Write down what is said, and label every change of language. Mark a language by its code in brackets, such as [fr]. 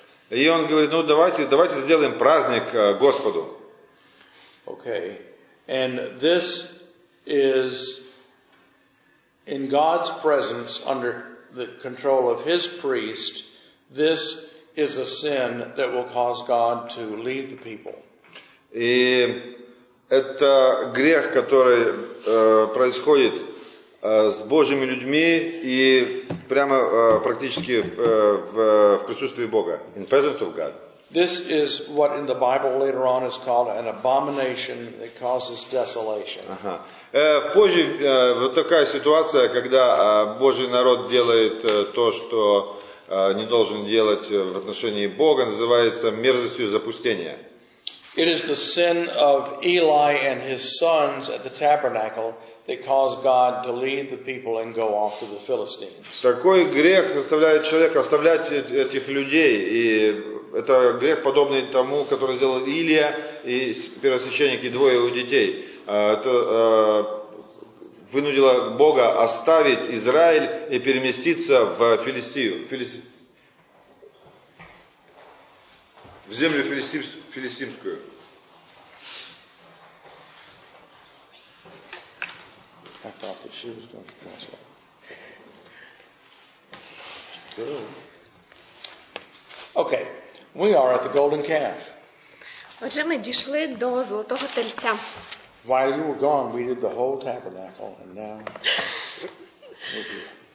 [ru] И он говорит, ну давайте сделаем праздник Господу. [en] Okay, and this is in God's presence under the control of his priest, this is a sin that will cause God to leave the people. [ru] И это грех, который происходит с Божьими людьми и прямо практически в присутствии Бога. [en] In presence of God. This is what in the Bible later on is called an abomination that causes desolation. [ru] Позже вот такая ситуация, когда Божий народ делает то, что не должен делать в отношении Бога, называется мерзостью запустения. [en] It is the sin of Eli and his sons at the tabernacle that caused God to leave the people and go off to the Philistines. [ru] Такой грех заставляет человека оставлять этих людей, и это грех, подобный тому, который сделал Илия и первосвященник, и двое его детей. Это вынудило Бога оставить Израиль и переместиться в Филистию. В землю филистимскую. [en] I thought that she was going to cross it. Okay. We are at the golden calf. [uk] Отже, ми дійшли до золотого тельця. [en] While you were gone, we did the whole tabernacle, and now we're here.